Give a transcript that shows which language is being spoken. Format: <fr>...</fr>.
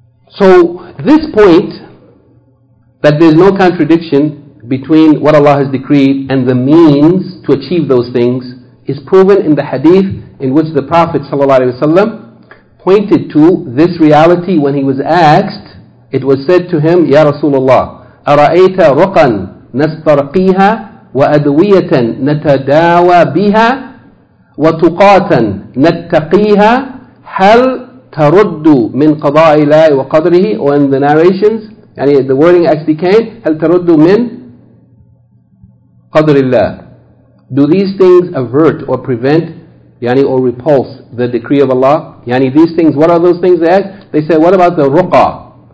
<en>So this point, that there's no contradiction between what Allah has decreed and the means to achieve those things, is proven in the hadith in which the Prophet ﷺ pointed to this reality when he was asked. It was said to him,</en> <ar>Ya Rasulullah, أَرَأَيْتَ رُقًا نَسْتَرْقِيهَا وَأَدْوِيَةً نَتَدَاوَى بِهَا وَتُقَاتًا نَتَّقِيهَا هَلْ تَرُدُّ مِنْ قَضَاءِ اللَّهِ وَقَدْرِهِ.</ar> <en>Or in the narrations, yani the wording actually came,</en> <ar>هَلْ تَرُدُّ مِنْ قدر الله.</ar> <en>Do these things avert or prevent, yani, or repulse the decree of Allah? Yani, these things, what are those things they ask? They say, what about the ruqa?</en>